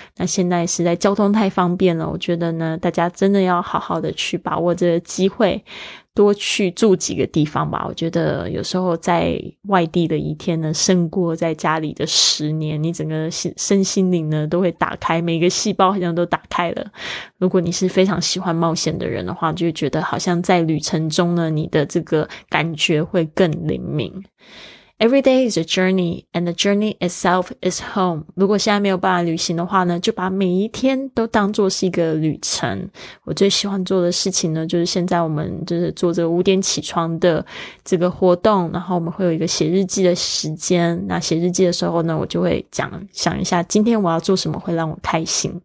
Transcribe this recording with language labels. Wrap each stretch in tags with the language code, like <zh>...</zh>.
<zh>那现在实在交通太方便了，我觉得呢大家真的要好好的去把握这个机会，多去住几个地方吧。我觉得有时候在外地的一天呢胜过在家里的十年，你整个身心灵呢都会打开，每个细胞好像都打开了。如果你是非常喜欢冒险的人的话，就觉得好像在旅程中呢你的这个感觉会更灵敏。</zh> <en>Every day is a journey, and the journey itself is home.</en> <zh>如果现在没有办法旅行的话呢，就把每一天都当作是一个旅程。我最喜欢做的事情呢，就是现在我们就是做这个五点起床的这个活动，然后我们会有一个写日记的时间。那写日记的时候呢，我就会想一下今天我要做什么会让我开心。</zh>